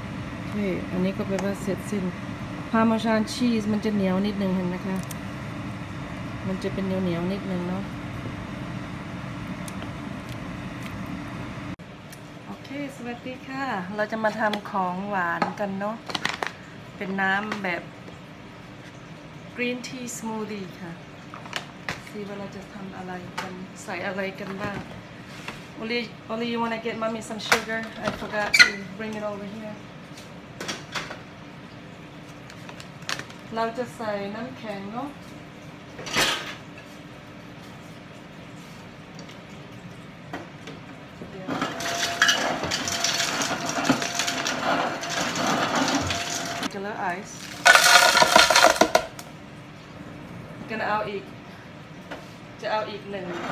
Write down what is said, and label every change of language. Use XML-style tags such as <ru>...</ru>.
<th>โอเคอันนี้ก็แปลว่าเสร็จสิ้นพาร์เมซานชีสมันจะเหนียวนิดนึงเห็นนะคะมันจะเป็นเหนียวๆนิดนึงเนาะโอเคสวัสดีค่ะเราจะมาทำของหวานกันเนาะเป็นน้ำแบบ green tea smoothie ค่ะซีว่าเราจะทำอะไรกันใส่อะไรกันบ้าง</th> <en>Only you want to get mommy some sugar? I forgot to bring it over here.</en> <th>เราจะใส่น้ำแข็งเนาะก็จะเอาอีกจะเอาอีกหนึ่ง</th>